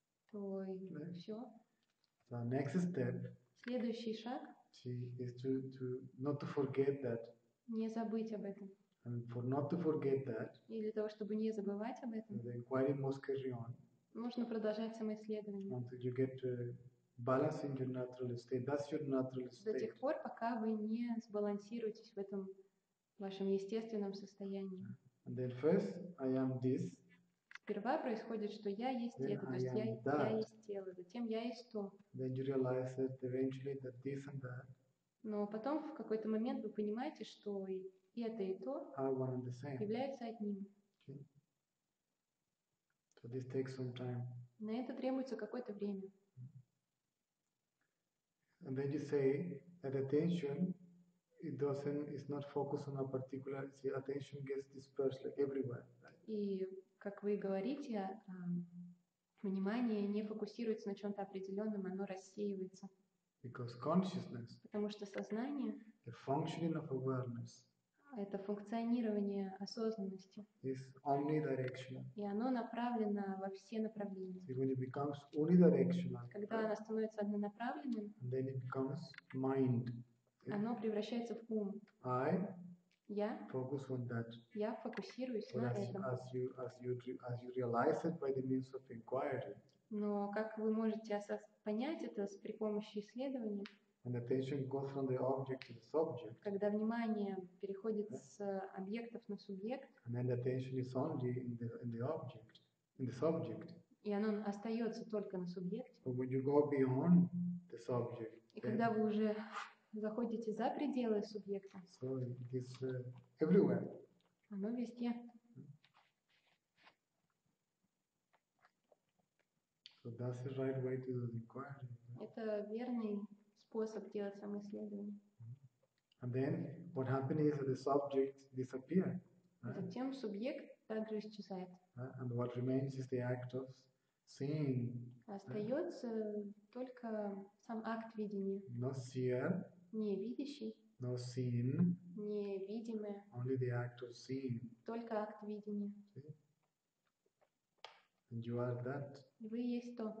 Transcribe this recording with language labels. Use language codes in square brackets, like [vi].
[ru] То и все. [en] The next step. [ru] Следующий шаг. [en] Is to not to forget that. [ru] Не забыть об этом. [en] And for not to forget that. [ru] И для того, чтобы не забывать об этом. [en] The inquiry must carry on. [ru] Нужно продолжать самоисследование. [en] Until you get to balance in your natural state. That's your natural state. [ru] До тех пор, пока вы не сбалансируетесь в этом вашем естественном состоянии. [en] And then first, I am this. [ru] Сперва происходит, что я есть [en] then [ru] это, то есть я есть тело, затем я есть то. [en] Then you realize that eventually that this and that. [ru] Но потом в какой-то момент вы понимаете, что и это, и то [en] are one and the same. [ru] Являются одним. [en] Okay. So this takes some time. [ru] На это требуется какое-то время. [en] And then you say that attention it doesn't is not focused on a particular. See, attention gets dispersed like everywhere. [ru] И как вы говорите, внимание не фокусируется на чем-то определенном, оно рассеивается. [en] Because consciousness, [ru] потому что сознание, [en] the functioning of awareness, [ru] это функционирование осознанности, [en] is omnidirectional. [ru] И оно направлено во все направления. [en] So when it becomes unidirectional, [ru] когда оно становится однонаправленным, [en] then it becomes mind. [ru] Оно превращается в ум. [en] I [ru] Я, [en] focus on that. [ru] Я фокусируюсь на этом. [en] As you realize it by the means of inquiry. [ru] Но как вы можете понять это при помощи исследования? [en] When attention goes from the object to the subject. [ru] Когда внимание переходит с объектов на субъект. [en] And then attention is only in the object, in the subject. [ru] И оно остается только на субъекте. [en] But when you go beyond the subject. [ru] И когда вы уже заходите за пределы субъекта. [en] So it is everywhere. [ru] Оно везде. [en] So that's the right way to do the inquiry. [ru] Это верный способ делать самоисследование. [en] And then what happens is that the subject disappears. [ru] Затем субъект также исчезает. [en] And what remains is the act of seeing. [ru] Остается только сам акт видения. [en] Not seer. [ru] Не видящий, [en] no seen, [ru] не видимое, [en] only the act of seeing. [ru] Только акт видения. [en] And you are that. [ru] Вы есть то.